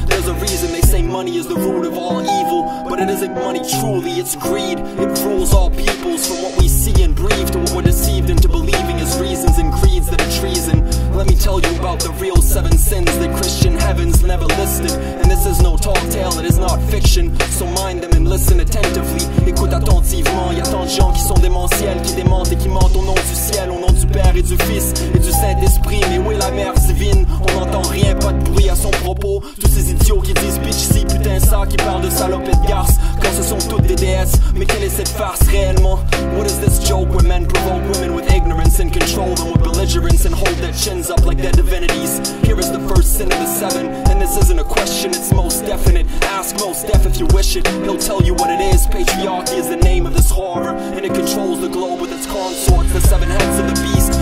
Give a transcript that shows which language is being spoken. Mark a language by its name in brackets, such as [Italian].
[English] There's a reason they say money is the root of all evil, but it isn't money truly, it's greed. It rules all peoples from what we see and breathe to what we're deceived into believing is reasons and creeds that are treason. Let me tell you about the real seven sins that Christian heavens never listed. And this is no tall tale, it is not fiction. So mind them and listen attentively. [French] Écoute attentivement, y'a tant de gens qui sont démentiels, qui démentent et qui mentent au nom du ciel, au nom du Père et du Fils et du Saint-Esprit. Mais où est la mère divine? On n'entend rien, pas de bruit à son propos. Tous ces idiots qui disent bitch si, putain ça, qui parlent de salopes et de garces, quand ce sont toutes des déesses. Mais quelle est cette farce réellement? [English] What is this joke where men provoke women with ignorance and control them with belligerence and hold their chins up like their divinities? Here is the first sin of the seven, and this isn't a question, it's most definite. Ask most deaf if you wish it, he'll tell you what it is. Patriarchy is the name of this horror, and it controls the globe with its consorts, the seven heads of the beast.